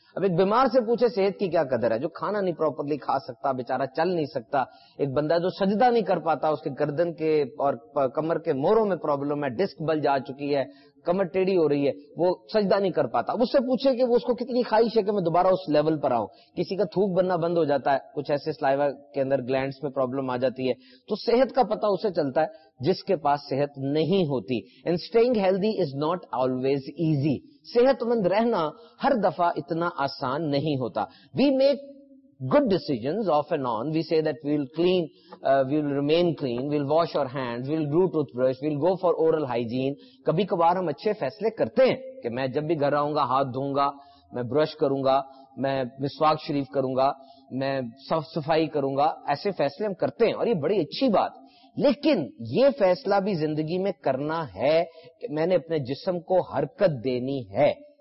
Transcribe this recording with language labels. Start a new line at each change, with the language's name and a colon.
Urdu: اب ایک بیمار سے پوچھے صحت کی کیا قدر ہے، جو کھانا نہیں پراپرلی کھا سکتا، بیچارہ چل نہیں سکتا، ایک بندہ جو سجدہ نہیں کر پاتا، اس کے گردن کے اور کمر کے موروں میں پرابلم ہے، ڈسک بل جا چکی ہے، کمر ٹیڑھی ہو رہی ہے، وہ سجدہ نہیں کر پاتا، اس سے پوچھے کہ وہ اس کو کتنی خواہش ہے کہ میں دوبارہ اس لیول پر آؤں. کسی کا تھوک بننا بند ہو جاتا ہے، کچھ ایسے سلائیوا کے اندر گلینڈس میں پرابلم آ جاتی ہے. تو صحت کا پتہ اسے چلتا ہے جس کے پاس صحت نہیں ہوتی.
English: And staying healthy is not always easy.
Urdu: صحت مند رہنا ہر دفعہ اتنا آسان نہیں ہوتا.
English: We make good decisions off and on. We say that we'll clean, we'll remain clean, we'll wash our hands, we'll do toothbrush, we'll go for oral hygiene.
Urdu: کبھی کبھار ہم اچھے فیصلے کرتے ہیں کہ میں جب بھی گھر آؤں گا ہاتھ دھوں گا، میں برش کروں گا، میں مسواک شریف کروں گا، میں صاف صفائی کروں گا. ایسے فیصلے ہم کرتے ہیں اور یہ بڑی اچھی بات، لیکن یہ فیصلہ بھی زندگی میں کرنا ہے کہ میں نے اپنے جسم کو حرکت دینی ہے.